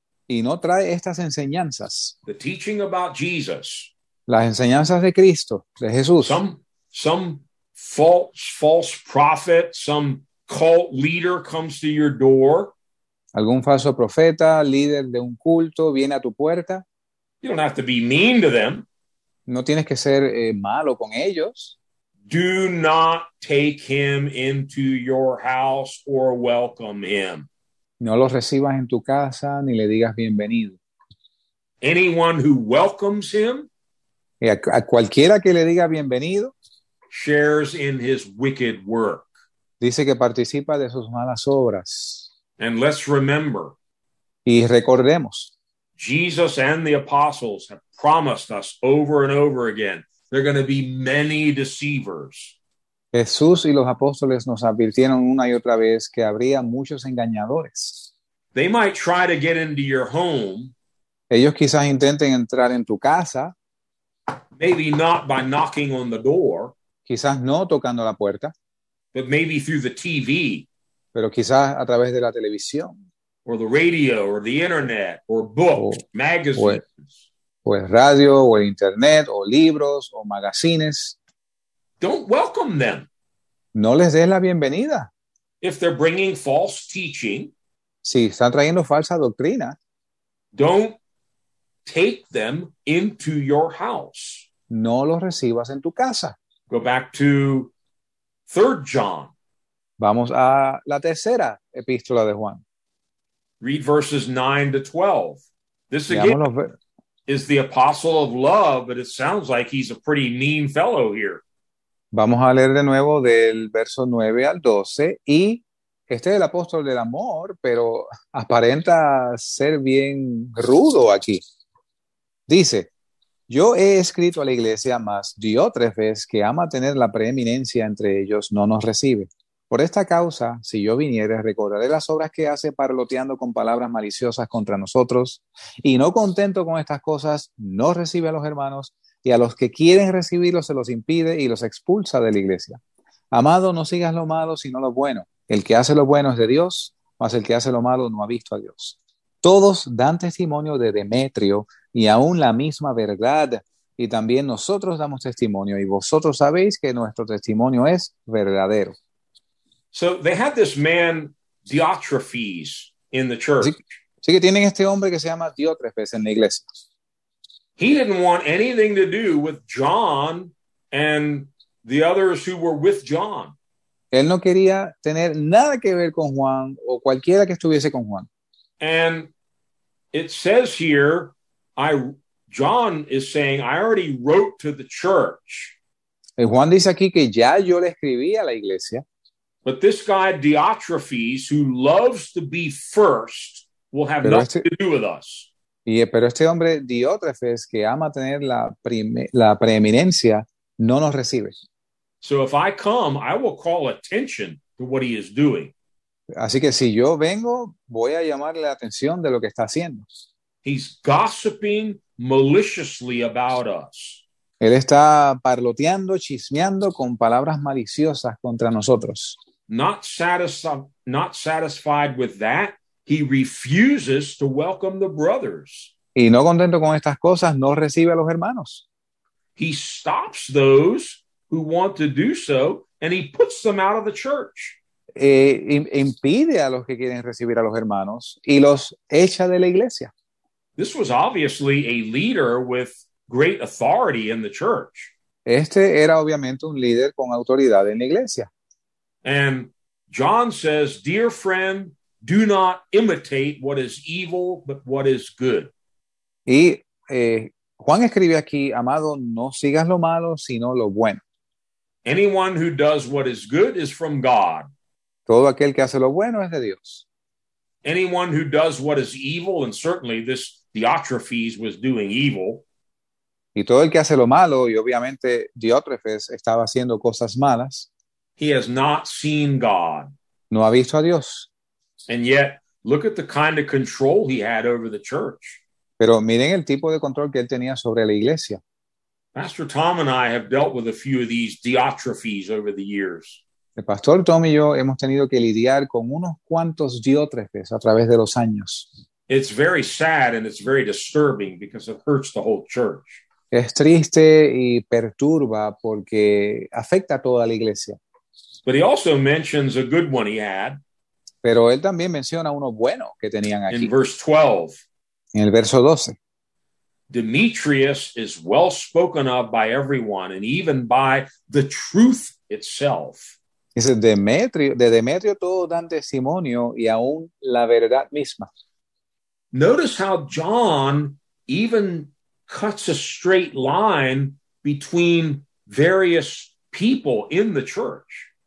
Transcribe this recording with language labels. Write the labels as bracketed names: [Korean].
[Spanish] y no trae estas enseñanzas, [English] the teaching about Jesus, [Spanish] las enseñanzas de Cristo, de Jesús, [English] some false prophet, some cult leader comes to your door. [Spanish] algún falso profeta, líder de un culto, viene a tu puerta. [English] You don't have to be mean to them. [Spanish] No tienes que ser malo con ellos. [English] Do not take him into your house or welcome him. [Spanish] No los recibas en tu casa ni le digas bienvenido. [English] Anyone who welcomes him [Spanish] A cualquiera que le diga bienvenido, [English] shares in his wicked work. [Spanish] dice que participa de sus malas obras. [English] And let's remember, [Spanish] Y recordemos, [English] Jesus and the apostles have promised us over and over again, there are going to be many deceivers. [Spanish] Jesús y los apóstoles nos advirtieron una y otra vez que habría muchos engañadores. [English] They might try to get into your home, [Spanish] Ellos quizás intenten entrar en tu casa, [English] maybe not by knocking on the door, [Spanish] quizás no tocando la puerta, [English] but maybe through the TV [Spanish] pero quizás a través de la televisión. [English] or the radio or the internet or books, [Spanish] O [English] magazines. [Spanish] el radio, o el internet, o libros, o magazines. [English] Don't welcome them. [Spanish] No les des la bienvenida. [English] If they're bringing false teaching, [Spanish] Si están trayendo falsa doctrina, [English] don't take them into your house. [Spanish] no los recibas en tu casa. [English] Go back to 3 John. [Spanish] Vamos a la tercera epístola de Juan. [English] Read verses 9 to 12. This again [Spanish] Veamos los [English] is the apostle of love, but it sounds like he's a pretty mean fellow here. [Spanish] Vamos a leer de nuevo del verso 9 al 12. Y este es el apóstol del amor, pero aparenta ser bien rudo aquí. Dice: Yo he escrito a la iglesia, mas Diótrefes, que ama tener la preeminencia entre ellos, no nos recibe. Por esta causa, si yo viniere, recordaré las obras que hace parloteando con palabras maliciosas contra nosotros. Y no contento con estas cosas, no recibe a los hermanos. Y a los que quieren recibirlo se los impide y los expulsa de la iglesia. Amado, no sigas lo malo, sino lo bueno. El que hace lo bueno es de Dios, mas el que hace lo malo no ha visto a Dios. Todos dan testimonio de Demetrio y aún la misma verdad. Y también nosotros damos testimonio y vosotros sabéis que nuestro testimonio es verdadero. [English] So they had this man, Diotrephes, in the [Spanish] Así [English] church. [Spanish] que tienen este hombre que se llama Diótrefes en la iglesia. [English] He didn't want anything to do with John and the others who were with John. [Spanish] Él no quería tener nada que ver con Juan o cualquiera que estuviese con Juan. [English] And it says here, John is saying, I already wrote to the church. [Spanish] Y Juan dice aquí que ya yo le escribí a la iglesia. [English] But this guy, Diotrephes, who loves to be first, will have [Spanish] Pero [English] nothing [Spanish] este [English] to do with us. [Spanish] y pero este hombre Diótrefes, que ama tener la preeminencia, no nos recibe. [English] So if I come, I will call attention to what he is doing. [Spanish] Así que si yo vengo, voy a llamarle la atención de lo que está haciendo. [English] He's gossiping maliciously about us. [Spanish] Él está parloteando, chismeando con palabras maliciosas contra nosotros. [English] Not satisfied with that, he refuses to welcome the brothers. [Spanish] Y no contento con estas cosas, no recibe a los hermanos. [English] He stops those who want to do so, and he puts them out of the church. [Spanish] Impide a los que quieren recibir a los hermanos y los echa de la iglesia. [English] This was obviously a leader with great authority in the church. [Spanish] Este era obviamente un líder con autoridad en la iglesia. [English] And John says, "Dear friend, do not imitate what is evil, but what is good." [Spanish] Y Juan escribe aquí, amado, no sigas lo malo, sino lo bueno. [English] Anyone who does what is good is from God. [Spanish] Todo aquel que hace lo bueno es de Dios. [English] Anyone who does what is evil, and certainly this Diotrephes was doing evil. [Spanish] Y todo el que hace lo malo, y obviamente Diótrefes estaba haciendo cosas malas. [English] He has not seen God. [Spanish] No ha visto a Dios. [English] And yet, look at the kind of control he had over the church. [Spanish] Pero miren el tipo de control que él tenía sobre la iglesia. [English] Pastor Tom and I have dealt with a few of these Diotrephes over the years. [Spanish] El pastor Tom y yo hemos tenido que lidiar con unos cuantos Diótrefes a través de los años. [English] It's very sad and it's very disturbing because it hurts the whole church. [Spanish] Es triste y perturba porque afecta a toda la iglesia. [English] But he also mentions a good one he had. [Spanish] Pero él también menciona uno bueno que tenían aquí. [English] In verse 12. [Spanish] En el verso 12. [English] Demetrius is well spoken of by everyone and even by the truth itself. [Spanish] Dice Demetrio, de Demetrio todo dan testimonio y aún la verdad misma. [English] Notice how John even cuts a straight line between various people in the church.